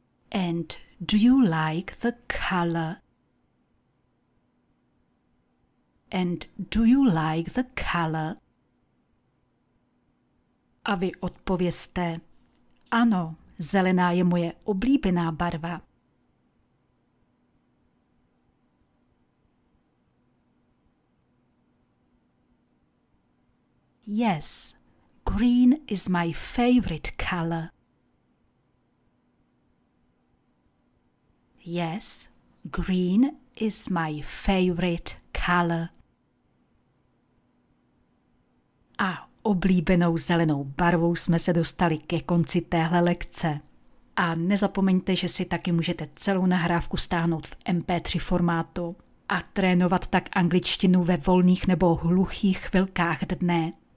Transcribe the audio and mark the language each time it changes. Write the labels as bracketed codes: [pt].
[en] And do you like the color? And do you like the color? [cs] A vy odpověste. Ano, zelená je moje oblíbená barva. [en] Yes, green is my favorite color. Yes, green is my favorite color. [cs] A oblíbenou zelenou barvou jsme se dostali ke konci téhle lekce. A nezapomeňte, že si taky můžete celou nahrávku stáhnout v MP3 formátu a trénovat tak angličtinu ve volných nebo hluchých chvilkách dne.